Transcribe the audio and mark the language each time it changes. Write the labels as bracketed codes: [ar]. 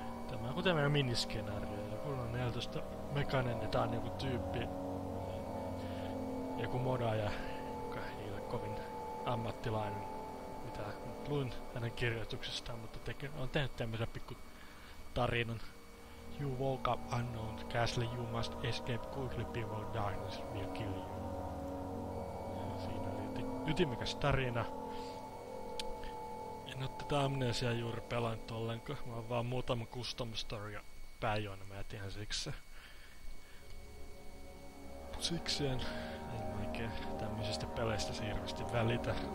[fi] Tämä on kuten meidän miniskenaario. Joku on 14 mekaninen ja tää on joku tyyppi. Joku modaaja, joka ei ole kovin ammattilainen, mitä luin hänen kirjoituksestaan, mutta on tehnyt tämmösen pikku tarinan. [en] You woke up unknown castle, you must escape quickly before darkness will kill you. [fi] Ja siinä oli ytimikäs tarina. En oo tätä Amnesia juuri pelannut ollenkaan, mä oon vaan muutama custom story ja pääjoona mä jätin siksi. Siksi en oikein tämmöisistä peleistä hirveesti välitä.